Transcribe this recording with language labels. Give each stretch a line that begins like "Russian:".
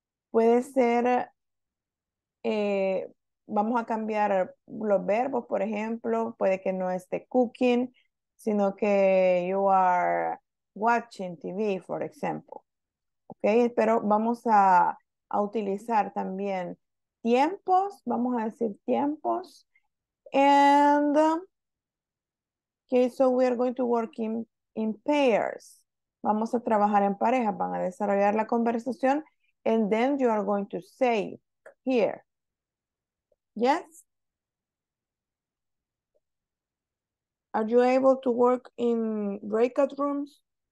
Spanish: Puede ser, vamos a cambiar los verbos, por ejemplo, puede que no esté cooking, sino que
English: you are watching TV, for example.
Spanish: Ok, pero vamos a utilizar también tiempos, vamos a decir tiempos.
English: And, okay, so we are going to work in pairs.
Spanish: Vamos a trabajar en pareja, van a desarrollar la conversación.
English: And then you are going to say here. Yes? Are you able to work in breakout rooms?